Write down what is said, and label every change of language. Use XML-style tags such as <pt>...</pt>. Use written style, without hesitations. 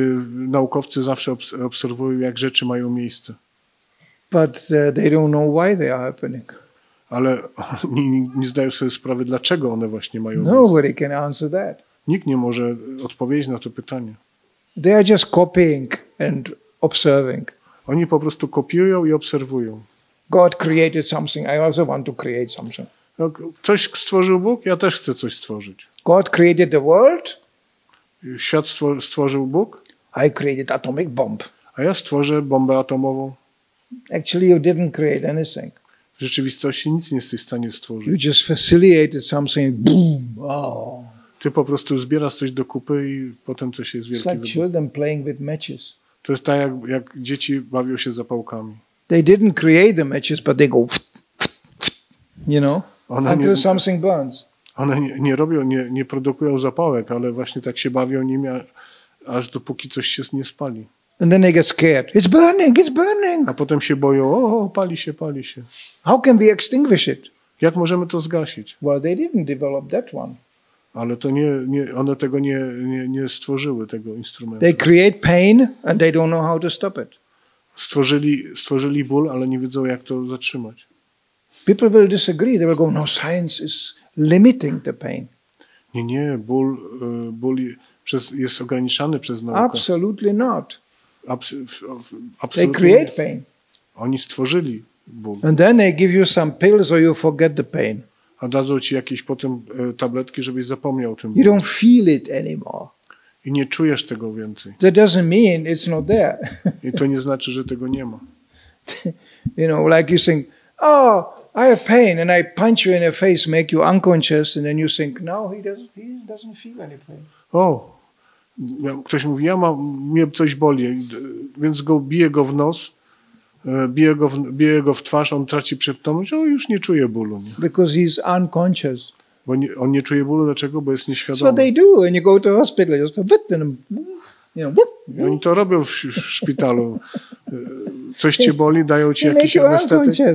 <pl>Naukowcy zawsze obserwują, jak rzeczy mają miejsce.</pl> <en>But they don't know why they are happening.</en> <pl>Ale nie zdają sobie sprawy, dlaczego one właśnie mają</pl> <en>Nobody</en> <pl>miejsce.</pl> <en>Can answer that.</en> <pl>Nikt nie może odpowiedzieć na to pytanie.</pl> <en>They are just copying and observing.</en> <pl>Oni po prostu kopiują i obserwują.</pl> <en>God created something. I also want to create something.</en> <pl>Coś stworzył Bóg, ja też chcę coś stworzyć.</pl> <en>God created the world.</en> <pl>Świat stworzył Bóg.</pl> <en>I created atomic bomb.</en> <pl>A ja stworzę bombę atomową.</pl> <en>Actually, you didn't create anything.</en> <pl>W rzeczywistości nic nie jesteś w stanie stworzyć.</pl> <en>You just facilitated something. Boom. Oh.</en> <pl>Ty po prostu zbierasz coś do kupy i potem coś jest wielki.</pl> <en>It's like children playing with matches.</en> <pl>To jest tak, jak dzieci bawią się zapałkami.</pl> <en>They didn't create the matches, but they go, you know, until something burns.</en> <pl>One nie robią, nie produkują zapałek, ale właśnie tak się bawią nimi, aż dopóki coś się nie spali.</pl> <en>And then they get scared. It's burning, it's burning.</en> <pl>A potem się boją, pali się.</pl> <en>How can we extinguish it?</en> <pl>Jak możemy to zgasić?</pl> <en>Well, they didn't develop that one.</en> <pl>Ale to one tego nie stworzyły, tego instrumentu.</pl> <en>They create pain and they don't know how to stop it.</en> <pl>Stworzyli ból, ale nie wiedzą, jak to zatrzymać.</pl> <en>People will disagree. They will go, no, science is limiting the pain.</en> <pl>Nie, ból jest ograniczany przez naukę.</pl> <en>Absolutely not. Absolutely. They create pain.</en> <pl>Oni stworzyli ból.</pl> <en>And then they give you some pills or you forget the pain.</en> <pl>A dadzą ci jakieś potem tabletki, żebyś zapomniał o tym.</pl> <en>You don't feel it anymore.</en> <pl>I nie czujesz tego więcej.</pl> <en>That doesn't mean it's not there.</en> <pl>I to nie znaczy, że tego nie ma.</pl> <en>You know, like you think, oh, I have pain and I punch you in the face, make you unconscious and then you think, no, he doesn't feel any pain.</en> <pl>Oh, ktoś mówi, mnie coś boli, więc biję go w nos, biję go w twarz, on traci przytomność, już nie czuje bólu. Nie?</pl> <en>Because he's unconscious.</en> <pl>Bo on nie czuje bólu, dlaczego? Bo jest nieświadomy.</pl> <en>That's what they do when you go to hospital. You just go, wit, and, you know,</en> <pl>oni to robią w szpitalu. Coś cię boli, dają ci jakiś anestetyk.</pl>